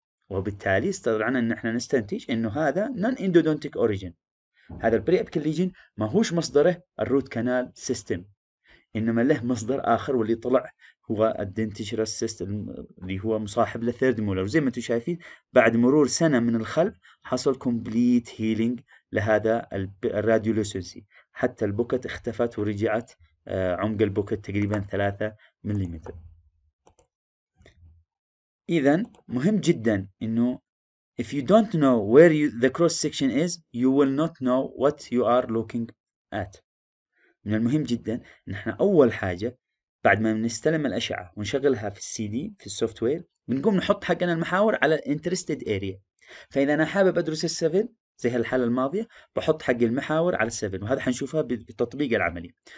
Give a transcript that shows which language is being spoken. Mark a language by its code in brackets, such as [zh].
[ar] وبالتالي استطعنا أن احنا نستنتج أنه هذا نون إندودونتيك أوريجين، هذا البري أبيكال ليجن ما هوش مصدره الروت كانال سيستم، إنما له مصدر آخر واللي طلع هو الدينتجرس سيست اللي هو مصاحب للثيرد مولر. وزي ما انتم شايفين بعد مرور سنة من الخلب حصل كومبليت هيلينج لهذا الراديولوسنسي، حتى البوكت اختفت ورجعت عمق البوكت تقريبا 3 مليمتر. إذن مهم جدا إنه [en] If you don't know where the cross section is, you will not know what you are looking at. [ar] من المهم جدا ان احنا اول حاجة بعد ما نستلم الاشعة ونشغلها في السي دي في السوفت وير بنقوم نحط حقنا المحاور على الانترستد اريا. فاذا انا حابب ادرس السفن زي هالحالة الماضية بحط حق المحاور على السفن، وهذا حنشوفها بالتطبيق العملي.